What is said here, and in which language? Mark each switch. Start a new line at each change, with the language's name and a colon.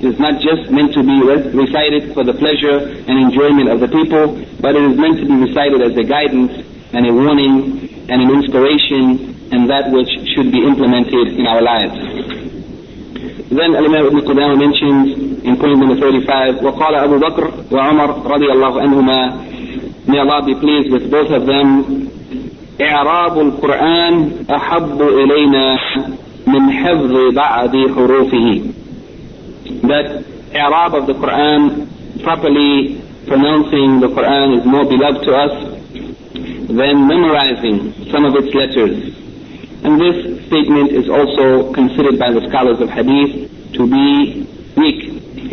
English: It is not just meant to be recited for the pleasure and enjoyment of the people, but it is meant to be recited as a guidance and a warning and an inspiration and that which should be implemented in our lives. Then Al-Imam Ibn Qudamah mentions in point number 35,
Arabic: وَقَالَ أَبُو بَكْرُ وَعُمَرْ رَضِيَ اللَّهُ عَنْهُمَا.
English: May Allah be pleased with both of them.
Arabic: إعراب القرآن أحب إلينا من حفظ بعض حروفه.
English: That إعراب of the Quran, properly pronouncing the Quran, is more beloved to us than memorizing some of its letters. And this statement is also considered by the scholars of hadith to be weak.